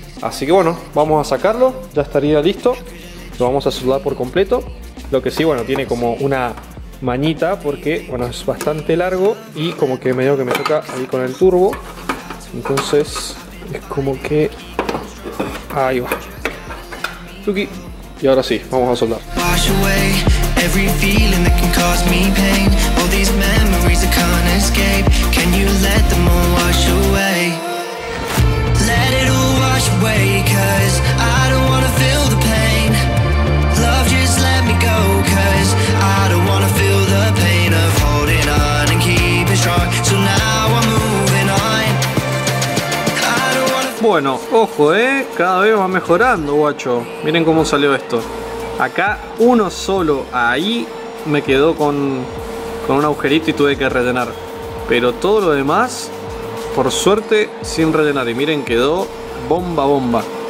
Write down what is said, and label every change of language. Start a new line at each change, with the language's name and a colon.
Spanish: Así que bueno, vamos a sacarlo, ya estaría listo. Lo vamos a soldar por completo. Lo que sí, bueno, tiene como una mañita porque, bueno, es bastante largo y como que medio que me toca ahí con el turbo. Entonces es como que ahí va. Tuki. Y ahora sí, vamos a soldar.
English: Wash away every feeling that can cause me pain. All these memories I can't escape. Can you let them all wash away? Let it all wash away, cause I don't wanna feel the pain. Love, just let me go, cause I don't wanna feel the pain of holding on and keeping strong. So now I'm moving on.
Spanish: Bueno, ojo, cada vez va mejorando, guacho. Miren cómo salió esto. Acá uno solo, ahí me quedó con un agujerito y tuve que rellenar. Pero todo lo demás por suerte sin rellenar. Y miren, quedó bomba bomba.